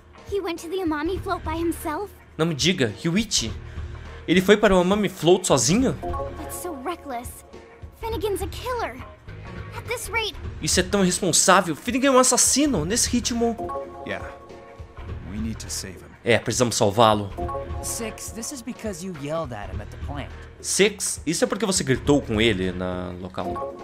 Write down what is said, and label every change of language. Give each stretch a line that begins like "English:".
English: He went to the Amami Float by himself?
Portuguese: Não me diga, Yuichi. Ele foi para o Amami Float sozinho?
English: That's so reckless. Finnegan's a killer. At this rate.
Portuguese: Isso é tão irresponsável. Finnegan é um assassino nesse ritmo.
English: Yeah. We need to save him.
Portuguese: É, precisamos salvá-lo.
English: Six, this is because you yelled at him at the plant.
Portuguese: Six, isso é porque você gritou com ele na local.